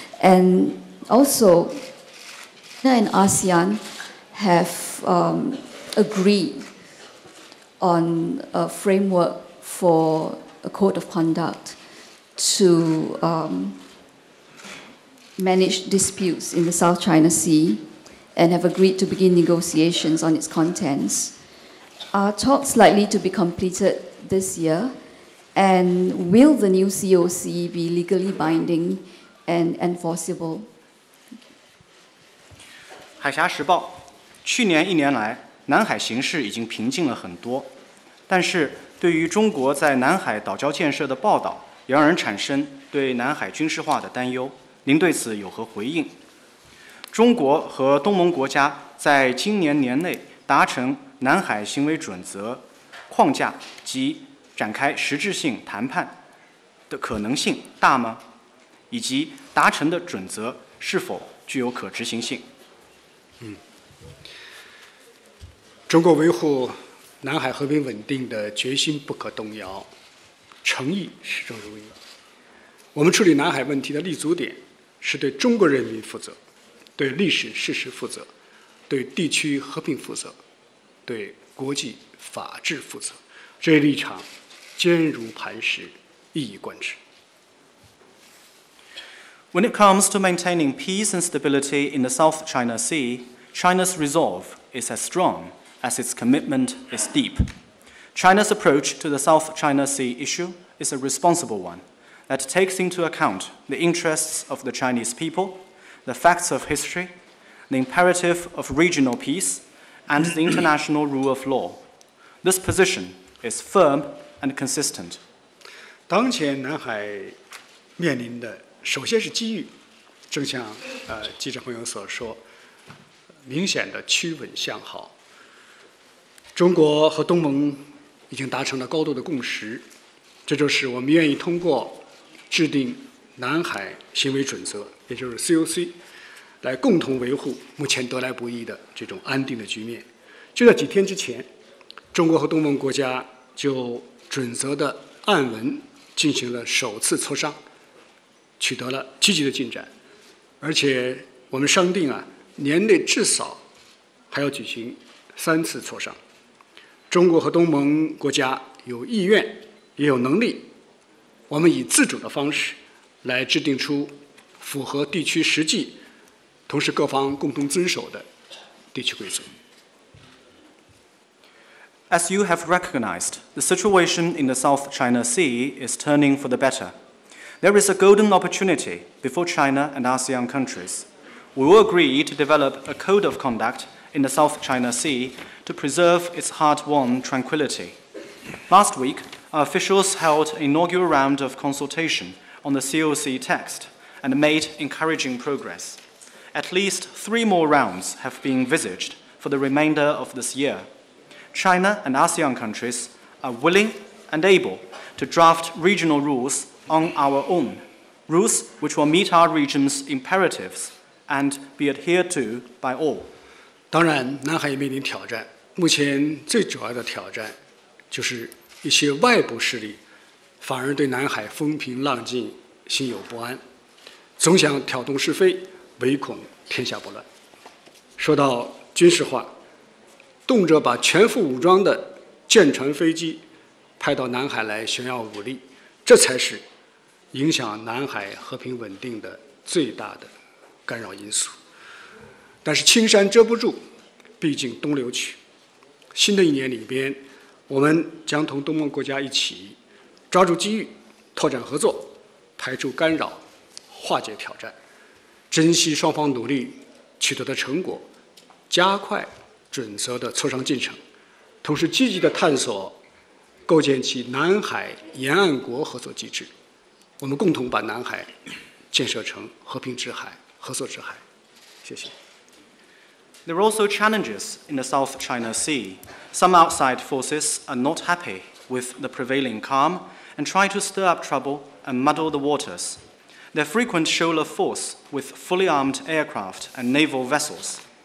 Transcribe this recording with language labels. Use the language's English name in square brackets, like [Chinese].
[English] AndAlso, China and ASEAN have agreed on a framework for a code of conduct to manage disputes in the South China Sea and have agreed to begin negotiations on its contents. Are talks likely to be completed this year? And will the new COC be legally binding and enforceable? [Chinese] 海峡时报，去年一年来，南海形势已经平静了很多，但是对于中国在南海岛礁建设的报道也让人产生对南海军事化的担忧。您对此有何回应？中国和东盟国家在今年年内达成南海行为准则框架及展开实质性谈判的可能性大吗？以及达成的准则是否具有可执行性？中国维护南海和平稳定的决心不可动摇，诚意始终如一。我们处理南海问题的立足点是对中国人民负责，对历史事实负责，对地区和平负责，对国际法治负责，这一立场坚如磐石，一以贯之。 [English] When it comes to maintaining peace and stability in the South China Sea, China's resolve is as strong as its commitment is deep. China's approach to the South China Sea issue is a responsible one that takes into account the interests of the Chinese people, the facts of history, the imperative of regional peace, and the international rule of law. This position is firm and consistent. [Chinese] 当前南海面临的首先是机遇，正像记者朋友所说，明显的趋稳向好。中国和东盟已经达成了高度的共识，这就是我们愿意通过制定南海行为准则，也就是 COC， 来共同维护目前得来不易的这种安定的局面。就在几天之前，中国和东盟国家就准则的案文进行了首次磋商，取得了积极的进展，而且我们商定年内至少还要举行三次磋商。中国和东盟国家有意愿也有能力，我们以自主的方式来制定出符合地区实际同时各方共同遵守的地区规则。 As you have recognized, the situation in the South China Sea is turning for the better. There is a golden opportunity before China and ASEAN countries. We will agree to develop a code of conduct in the South China Sea to preserve its hard-won tranquility. Last week, our officials held an inaugural round of consultation on the COC text and made encouraging progress. At least three more rounds have been envisaged for the remainder of this year. China and ASEAN countries are willing and able to draft regional rules on our own, rules which will meet our region's imperatives and be adhered to by all. 当然，南海也面临挑战。目前最主要的挑战就是一些外部势力反而对南海风平浪静心有不安，总想挑动是非，唯恐天下不乱。说到军事化，动辄把全副武装的舰船飞机派到南海来炫耀武力，这才是影响南海和平稳定的最大的干扰因素。但是青山遮不住，毕竟东流去。新的一年里边，我们将同东盟国家一起抓住机遇，拓展合作，排除干扰，化解挑战，珍惜双方努力取得的成果，加快准则的磋商进程，同时积极地探索构建起南海沿岸国合作机制，我们共同把南海建设成和平之海、合作之海。谢谢。 [English] There are also challenges in the South China Sea. Some outside forces are not happy with the prevailing calm and try to stir up trouble and muddle the waters. They frequent show of force with fully armed aircraft and naval vessels.